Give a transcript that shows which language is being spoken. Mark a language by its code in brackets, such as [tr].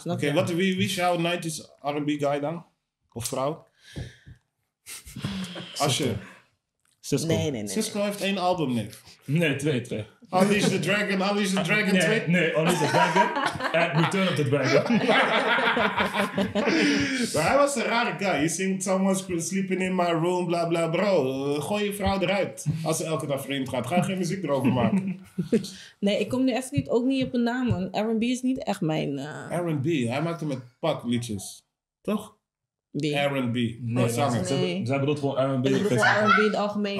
[nl] Oké, wat wie is jouw 90s R&B guy dan? Of vrouw? Asher. Cisco. Nee. Cisco heeft één album, Nick. Nee, twee. Unleash the Dragon, Unleash the Dragon 2. Nee, Unleash the Dragon. En Return of the Dragon. Maar hij was een rare guy. [en] You sing someone's sleeping in my room, bla bla. [nl] Bro, gooi je vrouw eruit als ze elke dag vreemd gaat. Ga geen muziek erover maken. Nee, ik kom nu echt niet, ook niet op een naam, man. R&B is niet echt mijn... R&B, hij maakte met pak liedjes. Toch? B. R&B. Nee, zangen. Zij bedoelt gewoon R&B. Ik bedoel gewoon R&B in het algemeen.